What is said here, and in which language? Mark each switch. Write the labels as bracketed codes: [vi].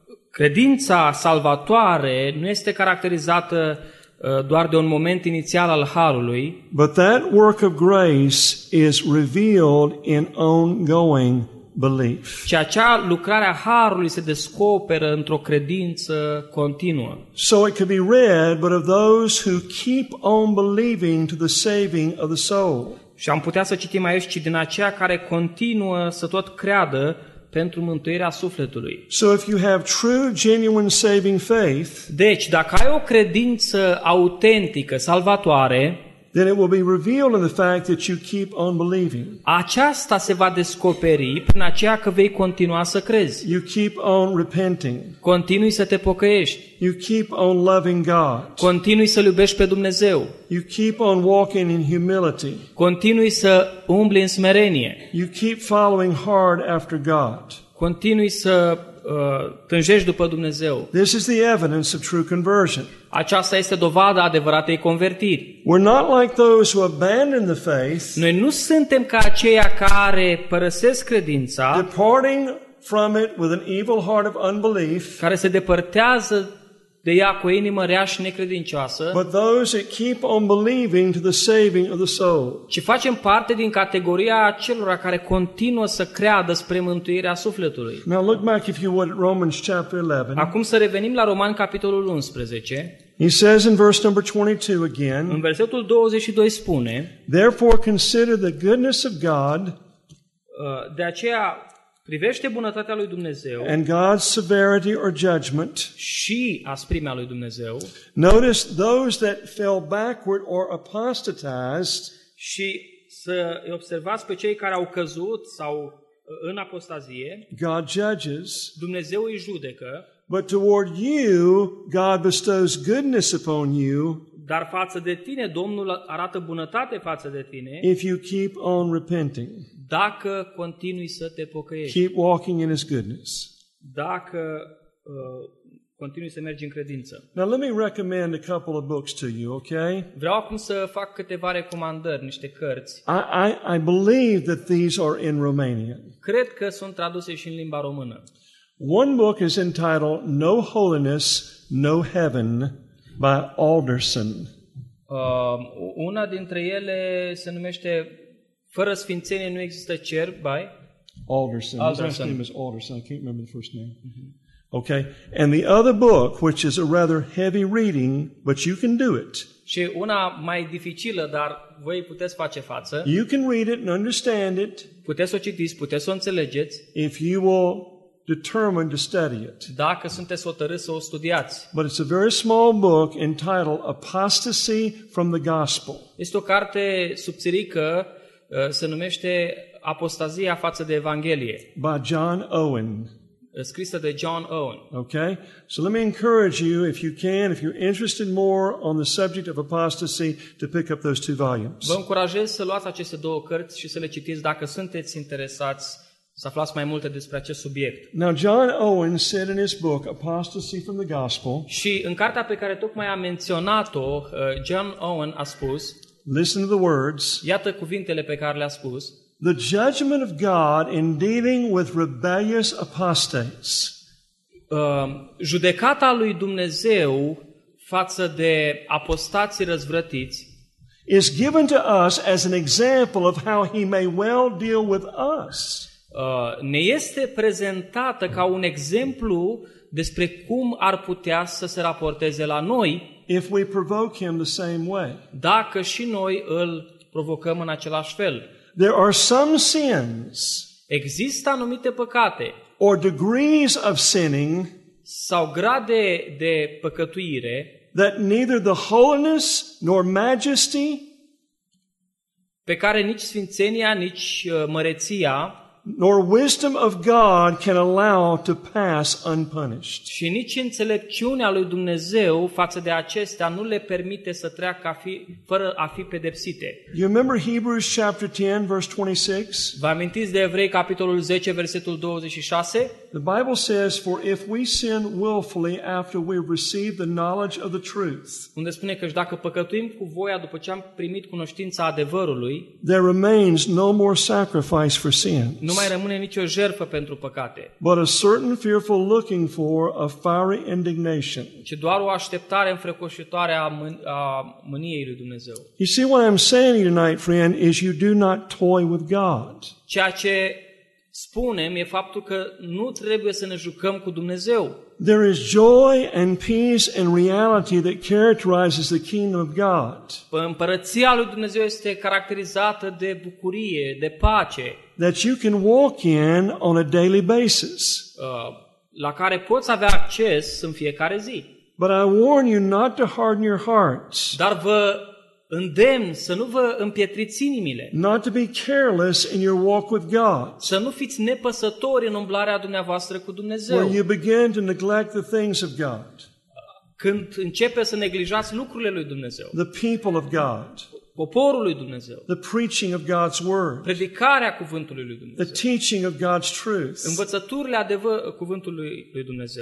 [ro] Credința salvatoare nu este caracterizată doar de un moment inițial al harului, [en] but that work of grace is revealed in ongoing belief. [ro] Și acea lucrare a harului se descoperă într-o credință continuă. [en] So it could be read, but of those who keep on believing to the saving of the soul. [ro] Și am putea să citim aici, ci din aceea care continuă să tot creadă pentru mântuirea sufletului. [en] So if you have true, genuine saving faith, [ro] deci, dacă ai o credință autentică, salvatoare, [en] then it will be revealed in the fact that you keep on believing. [ro] Aceasta se va descoperi prin aceea că vei continua să crezi. [en] You keep on repenting. [ro] Continui să te pocăiești. [en] You keep on loving God. [ro] Continui să-L iubești pe Dumnezeu. [en] You keep on walking in humility. [ro] Continui să umbli în smerenie. [en] You keep following hard after God. [ro] Continui să tânjești după Dumnezeu. [en] This is the evidence of true conversion. [ro] Aceasta este dovada adevăratei convertiri. [en] We're not like those who abandon the faith. [ro] Noi nu suntem ca aceia care părăsesc credința. [en] Departing from it with an evil heart of unbelief. [ro] Care se depărtează de ea cu o inimă rea și necredincioasă. [en] But those that keep on believing to the saving of the soul. [ro] Ci facem parte din categoria celor care continuă să creadă spre mântuirea sufletului. [en] Now look back if you would at Romans chapter 11. [ro] Acum să revenim la Romani capitolul 11. [en] He says in verse number 22 again. [ro] În versetul 22 spune: [en] Therefore consider the goodness of God. [ro] De aceea privește bunătatea lui Dumnezeu. [en] And God's severity or judgment. [ro] Și asprimea lui Dumnezeu. [en] Notice those that fell backward or apostatized. [ro] Și să observați pe cei care au căzut sau în apostazie. [en] God judges. [ro] Dumnezeu îi judecă. [en] But toward you, God bestows goodness upon you. [ro] Dar față de tine, Domnul arată bunătate față de tine. [en] If you keep on repenting. [ro] Dacă continui să te pocăiești. [en] Keep walking in his goodness. [ro] Dacă continui să mergi în credință. [en] Now let me recommend a couple of books to you, okay? [ro] Vreau acum să fac câteva recomandări, niște cărți. [en] I believe that these are in Romanian. [ro] Cred că sunt traduse și în limba română. [en] One book is entitled No Holiness, No Heaven by Alderson. [ro] Una dintre ele se numește Fără sfințenie nu există cer, [en] by Alderson. His last name is Alderson. I can't remember the first name. Mm-hmm. Okay. And the other book, which is a rather heavy reading, but you can do it. [ro] Și una mai dificilă, dar voi puteți face față. [en] You can read it and understand it. [ro] Puteți să o citiți, puteți să o înțelegeți. [en] If you will determine to study it. [ro] Dacă sunteți hotărâți să o studiați. [en] But it's a very small book entitled Apostasy from the Gospel. [ro] Este o carte subțirică. Se numește Apostazia față de Evanghelie. [en] By John Owen. [ro] Scrisă de John Owen. [en] Okay. So let me encourage you, if you can, if you're interested more on the subject of apostasy, to pick up those two volumes. [ro] Vă încurajez să luați aceste două cărți și să le citiți dacă sunteți interesați să aflați mai multe despre acest subiect. [en] Now John Owen said in his book Apostasy from the Gospel. [ro] Și în cartea pe care tocmai am menționat-o, John Owen a spus: [en] Listen to the words. [ro] Iată cuvintele pe care le-a spus. [en] The judgment of God in dealing with rebellious apostates. [ro] Judecata lui Dumnezeu față de apostații răzvrătiți [en] is given to us as an example of how he may well deal with us. [ro] Ne este prezentată ca un exemplu despre cum ar putea să se raporteze la noi. [en] If we provoke him the same way. [ro] Dacă și noi îl provocăm în același fel. [en] There are some sins. [ro] Există anumite păcate. [en] Or degrees of sinning. [ro] Sau grade de păcătuire. [en] That neither the holiness nor majesty. [ro] Pe care nici sfințenia, nici măreția. [en] Nor wisdom of God can allow to pass unpunished. [ro] Și nici înțelepciunea lui Dumnezeu față de acestea nu le permite să treacă fără a fi pedepsite. [en] You remember Hebrews chapter 10 verse 26? [ro] Vă amintiți de Evrei capitolul 10 versetul 26? [en] The Bible says for if we sin willfully after we receive the knowledge of the truth. [ro] Unde spune că dacă păcătuim cu voia după ce am primit cunoștința adevărului, [en] there remains no more sacrifice for sin. [ro] Nu mai rămâne nicio jertfă pentru păcate. [en] But a certain fearful looking for a fiery indignation. [ro] Ci doar o așteptare înfricoșitoare a mâniei lui Dumnezeu. [en] You see what I'm saying tonight, friend, is you do not toy with God. [ro] Ceea ce spunem e faptul că nu trebuie să ne jucăm cu Dumnezeu. [en] There is joy and peace and reality that characterizes the kingdom of God. [ro] Împărăția lui Dumnezeu este caracterizată de bucurie, de pace. [en] That you can walk in on a daily basis. [ro] La care poți avea acces în fiecare zi. [en] But I warn you not to harden your hearts. [ro] Dar vă îndemn să nu vă împietriți inimile. [en] Not to be careless in your walk with God. [ro] Să nu fiți nepăsători în umblarea dumneavoastră cu Dumnezeu. [en] When you begin to neglect the things of God. [ro] Când începe să neglijați lucrurile lui Dumnezeu. [en] The people of God. [ro] Poporul lui Dumnezeu. [en] The preaching of God's word. [ro] Predicarea cuvântului lui Dumnezeu. [en] The teaching of God's truth. [ro] Învățăturile adevărului cuvântului lui Dumnezeu.